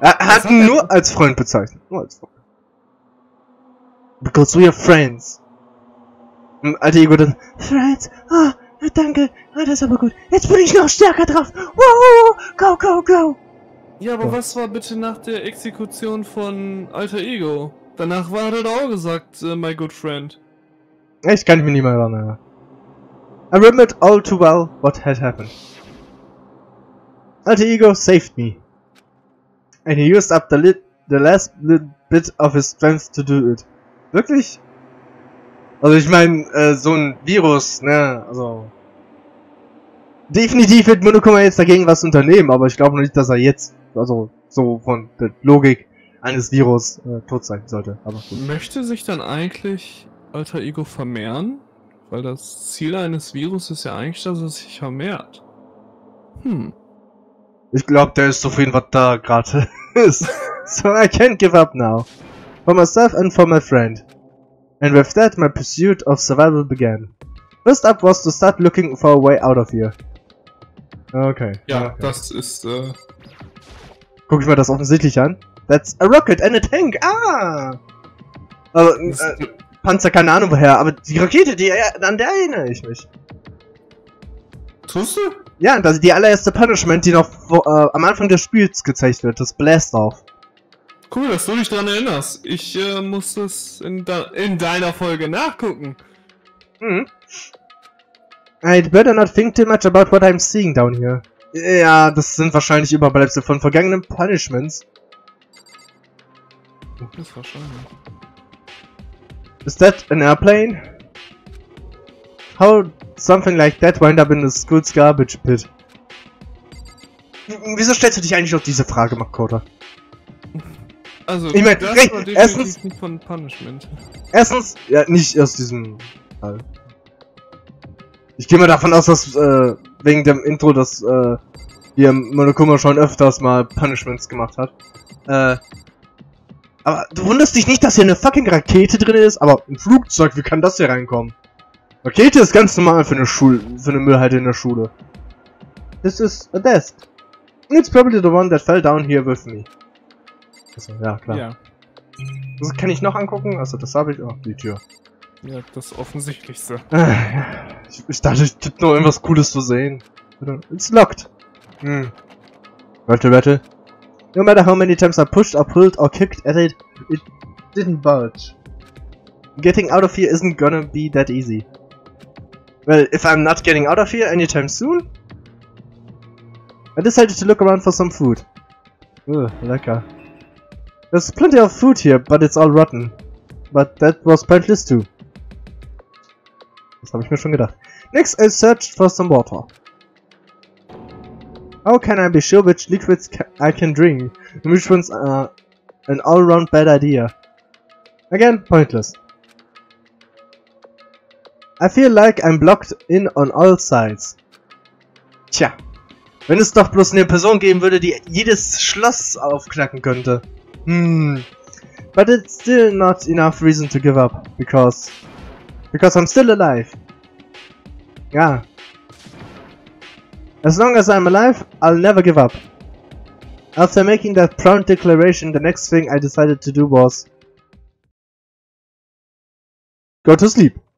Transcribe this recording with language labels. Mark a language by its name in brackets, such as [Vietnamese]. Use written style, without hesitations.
[German] Er hat ihn nur als Freund bezeichnet. Nur als Freund. [English] Because we are friends. [German] Alter Ego dann. [English] Friends? [German] Ah, oh, danke. Oh, das ist aber gut. Jetzt bin ich noch stärker drauf. [English] Wow, go, go, go. [German] Ja, aber was war bitte nach der Exekution von Alter Ego? Danach war er da auch gesagt, [English] my good friend. [German] Echt, kann ich mich nicht mehr erinnern. [English] I remembered all too well what had happened. Alter Ego saved me. And he used up the last bit of his strength to do it. [German] Wirklich? Also ich meine, so ein Virus, ne, also... Definitiv wird Monokuma jetzt dagegen was unternehmen, aber ich glaube nicht, dass er jetzt, also so von der Logik eines Virus, tot sein sollte. Aber gut. Möchte sich dann eigentlich Alter Ego vermehren? Weil das Ziel eines Virus ist ja eigentlich, dass er sich vermehrt. Ich glaube, der ist zufrieden, was da gerade ist. [English] So I can't give up now. For myself and for my friend. And with that, my pursuit of survival began. First up was to start looking for a way out of here. Okay. [German] Ja, okay. Das ist, Guck ich mal das offensichtlich an. [English] That's a rocket and a tank! Ah! [German] Also, Panzer, keine Ahnung woher, aber die Rakete, die, an der erinnere ich mich. Tust du? Ja, das ist die allererste Punishment, die noch am Anfang des Spiels gezeigt wird, das Blast auf. Cool, dass du dich dran erinnerst. Ich muss das in deiner Folge nachgucken. [English] I'd better not think too much about what I'm seeing down here. [German] Ja, das sind wahrscheinlich Überbleibsel von vergangenen Punishments. Das ist wahrscheinlich. [English] Is that an airplane? How something like that wind up in the school's garbage pit? [German] Wieso stellst du dich eigentlich auf diese Frage, Makota? Also, ich meine, das recht, war erstens, von Punishment. Erstens, ja, nicht aus diesem Fall. Ich gehe mal davon aus, dass wegen dem Intro, dass hier Monokuma schon öfters mal Punishments gemacht hat. Aber du wunderst dich nicht, dass hier eine fucking Rakete drin ist, aber ein Flugzeug, wie kann das hier reinkommen? Rakete ist ganz normal für eine Müllhalde in der Schule. [English] This is a desk. And it's probably the one that fell down here with me. [German] Also, ja, klar. Ja. Das kann ich noch angucken? Also, das habe ich auch. Die Tür. Ja, das Offensichtlichste. Ich dachte, ich hätte noch irgendwas Cooles zu sehen. [English] It's locked. [German] Warte. [English] No matter how many times I pushed or pulled or kicked at it, it didn't budge. Getting out of here isn't gonna be that easy. Well, if I'm not getting out of here anytime soon, I decided to look around for some food. [German] Lecker. [English] There's plenty of food here, but it's all rotten. But that was pointless too. [German] Das habe ich mir schon gedacht. [English] Next, I searched for some water. How can I be sure which liquids I can drink? Which one's an all-round bad idea? Again, pointless. I feel like I'm blocked in on all sides. [German] Tja. Wenn es doch bloß eine Person geben würde, die jedes Schloss aufknacken könnte. [English] But it's still not enough reason to give up, because I'm still alive. [German] Ja. [English] As long as I'm alive, I'll never give up. After making that proud declaration, the next thing I decided to do was go to sleep.